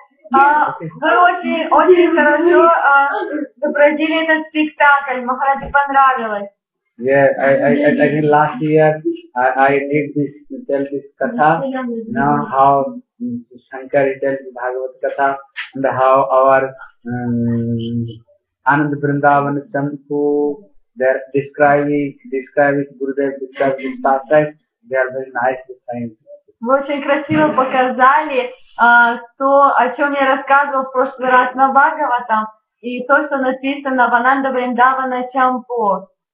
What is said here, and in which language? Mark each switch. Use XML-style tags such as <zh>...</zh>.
<ru>Вы очень хорошо изобразили этот спектакль. Махараджи понравилось.</ru> <en>Yeah, I think last year I did tell this katha. Now how Shankar tells the Bhagavad katha and how our Anand Vrindavan Sampu they're describing Gurudev, describing Pastime, they are very nicely playing.</en> <ru>Вы очень красиво показали то, о чем я рассказывал в прошлый раз на Бхагаватам, и то, что написано в Ананда Вриндавана Чампо.</ru>